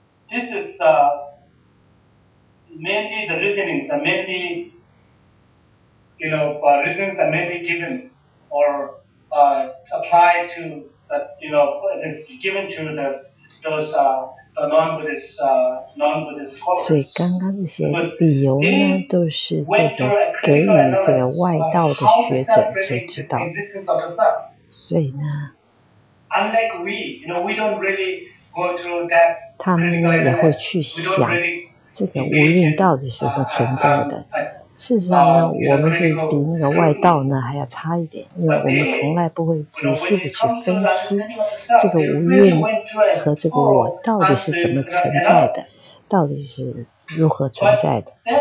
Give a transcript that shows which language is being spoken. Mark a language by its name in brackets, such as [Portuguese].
[English] This is mainly the reasonings are mainly, you know, reasons are mainly given or applied to the, you know, it's given to the, those the non-Buddhist non-Buddhist scholars. [Chinese] 所以刚刚这些理由呢，都是这个给予这个外道的学者所知道。所以呢 [English] ，Unlike we, you know, we don't really go through that. [Chinese] 他们呢也会去想这个无蕴到底是怎么存在的。事实上呢，我们是比那个外道呢还要差一点，因为我们从来不会仔细的去分析这个无蕴和这个我到底是怎么存在的，到底是如何存在的。